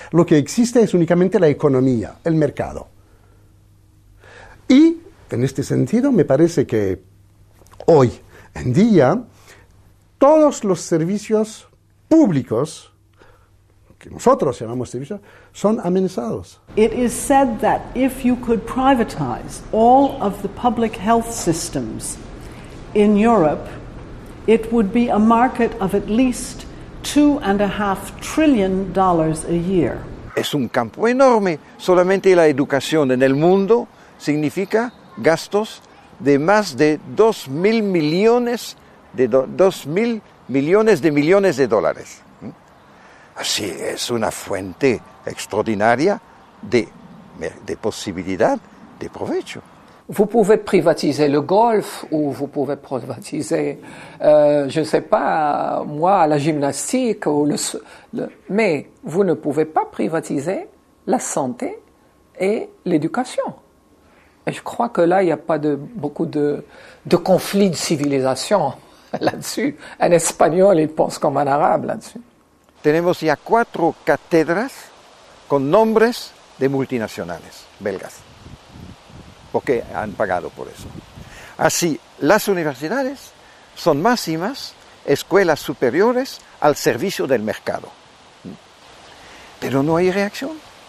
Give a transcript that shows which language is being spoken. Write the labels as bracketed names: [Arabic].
[Spanish] Lo que existe es únicamente la economía, el mercado. Y en este sentido, me parece que hoy en día todos los servicios públicos que nosotros llamamos servicios son amenazados. [English] It is said that if you could privatize all of the public health systems in Europe, it would be a market of at least $2.5 trillion a year. [Spanish] Es un campo enorme. Solamente la educación en el mundo significa gastos de más de $2.000 millones de dólares. Así es una fuente extraordinaria de posibilidad de provecho. [French] Vous pouvez privatiser le golf ou vous pouvez privatiser, je ne sais pas, moi, la gymnastique ou mais vous ne pouvez pas privatiser la santé et l'éducation. Et je crois que là, il n'y a pas beaucoup de conflits de civilisation là-dessus. Un espagnol, il pense comme un arabe là-dessus. [Spanish] Tenemos ya 4 cátedras con nombres de multinacionales belgas, porque han pagado por eso. Así, las universidades son más y más escuelas superiores al servicio del mercado. Pero no hay reacción.